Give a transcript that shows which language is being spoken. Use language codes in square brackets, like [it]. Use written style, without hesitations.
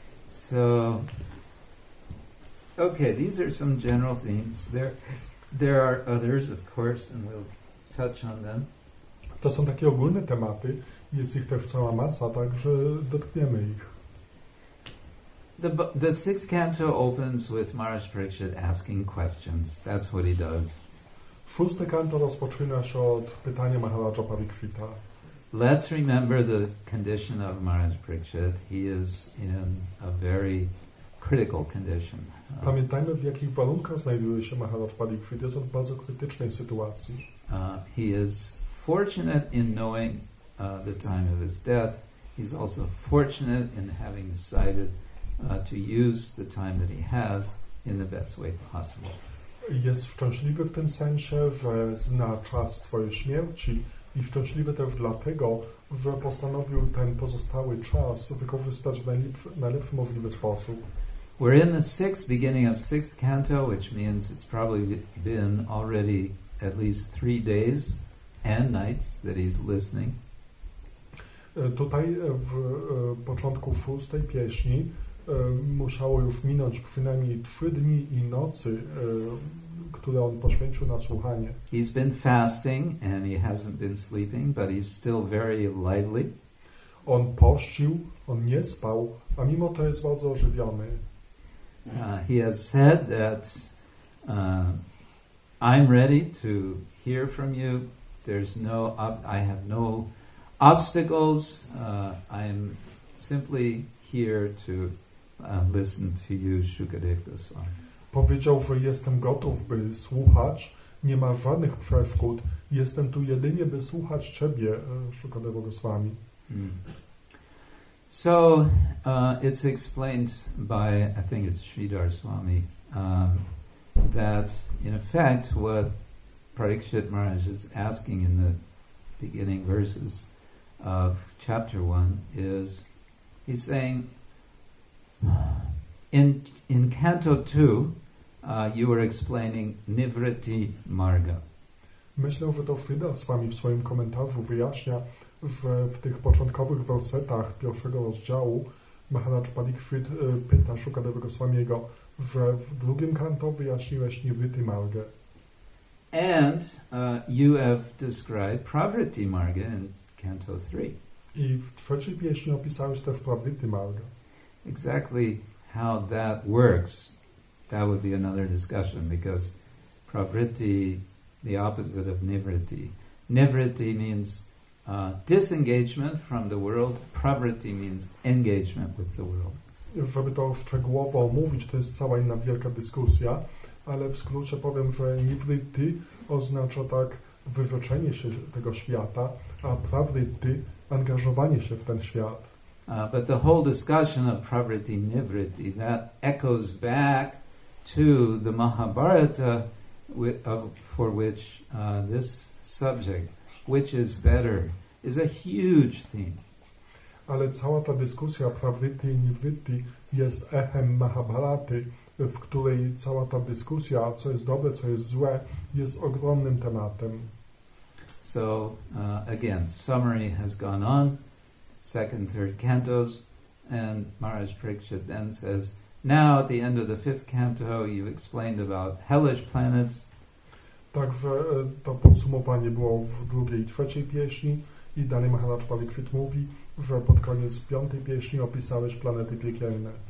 [en] So, okay, these are some general themes. There are others, of course, and we'll touch on them. [pl] To są takie ogólne tematy, jest ich też cała masa, także dotkniemy ich. [en] The sixth canto opens with Maharaj Parikshit asking questions. That's what he does. [pl] Szóste kanto rozpoczyna się od pytania Maharaja Parikshita. [en] Let's remember the condition of Maharaj Parikshit. He is in a very critical condition. [pl] Pamiętajmy, w jakich warunkach znajduje się Maharaj Parikshit. Jest on w bardzo krytycznej sytuacji. [en] He is fortunate in knowing the time of his death. He's also fortunate in having decided to use the time that he has in the best way possible. [pl] Jest szczęśliwy w tym sensie, że zna czas swojej śmierci i szczęśliwy też dlatego, że postanowił ten pozostały czas wykorzystać w najlepszy możliwy sposób. [en] We're in the sixth beginning of sixth canto, which means it's probably been already at least 3 days and nights that he's listening. [pl] Tutaj w początku szóstej pieśni musiało już minąć przynajmniej 3 dni i nocy, które on poświęcił na słuchanie. [en] He's been fasting and he hasn't been sleeping, but he's still very lively. [pl] On pościł, on nie spał, a mimo to jest bardzo ożywiony. [en] He has said that I'm ready to hear from you. There's no, I have no obstacles. I'm simply here to listen to you, Shukadev Goswami. [pl] Powiedział, że jestem gotów, by słuchać. Nie ma żadnych przeszkód. Jestem tu jedynie, by słuchać Ciebie, Shukadev Goswami. Hmm. [en] So it's explained by, I think it's Sridhar Swami, that in effect what Parikshit Maharaj is asking in the beginning verses of chapter 1 is, he's saying, in canto 2, you were explaining Nivritti Marga. [pl] Myślę, że to Sridhar Swami w swoim komentarzu wyjaśnia, że w tych początkowych wersetach pierwszego rozdziału Maharaj Parikshit pyta Shukadeva Goswamiego, że w drugim kanto wyjaśniłeś Nivritti Marga. [en] And you have described Pravritti Marga in canto 3. [pl] I w trzeciej pieśni opisałeś też Pravritti Marga. [en] Exactly how that works, that would be another discussion, because Pravritti, the opposite of Nivritti. Nivritti means disengagement from the world. Pravritti means engagement with the world. [pl] Żeby to szczegółowo omówić, to jest cała inna wielka dyskusja, ale w skrócie powiem, że Nivritti oznacza tak wyrzeczenie się tego świata, a Pravritti angażowanie się w ten świat. [en] But the whole discussion of Pravritti Nivritti, that echoes back to the Mahabharata for which this subject, which is better, is a huge theme. [pl] Ale cała ta dyskusja Pravritti Nivritti jest echem Mahabharaty, w której cała ta dyskusja, co jest dobre, co jest złe, jest ogromnym tematem. [en] So, again, summary has gone on, second, third cantos, and Maharaj Parikshit then says, now, at the end of the fifth canto, you've explained about hellish planets. [pl] Także to podsumowanie było w drugiej i trzeciej pieśni i dalej Maharaj Parikshit mówi, że pod koniec piątej pieśni opisałeś planety piekielne.